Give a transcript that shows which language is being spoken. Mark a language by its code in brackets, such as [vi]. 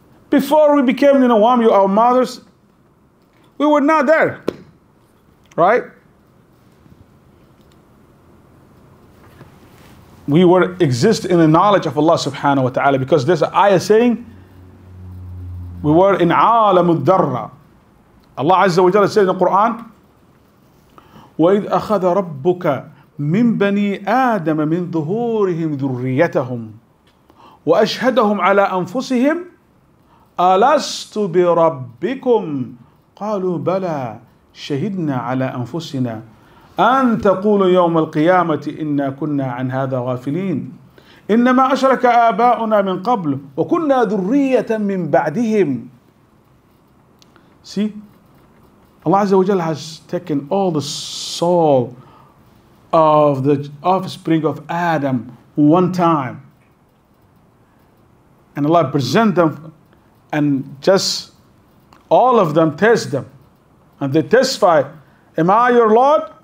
[en] Before we became in the womb, you, our mothers, we were not there. Right? We were exist in the knowledge of Allah subhanahu wa ta'ala, because there's an ayah saying, we were in عَالَمُ الدَّرَّ. Allah Azza wa Jalla said in the Quran, [ar] وَإِذْ أَخَذَ رَبُّكَ مِنْ بَنِي آدَمَ مِنْ ظُهُورِهِمْ ذُرِّيَّتَهُمْ وَأَشْهَدَهُمْ عَلَىٰ أَنفُسِهِمْ أَلَسْتُ بِرَبِّكُمْ قَالُوا بَلَىٰ شَهِدْنَا عَلَىٰ أَنفُسِنَا أَنْ تَقُولُ يَوْمَ الْقِيَامَةِ إِنَّا كُنَّا عَنْ هَذَا غَافِلِينَ إِنَّمَا أَشْرَكَ آبَاؤُنَا مِنْ قَبْلُ وَكُنَّا ذُرِّيَّةً مِنْ بَعْدِهِمْ. [en] See, Allah Azza wa Jalla has taken all the soul of the offspring of Adam one time, and Allah present them, and just all of them test them, and they testify, am I your Lord?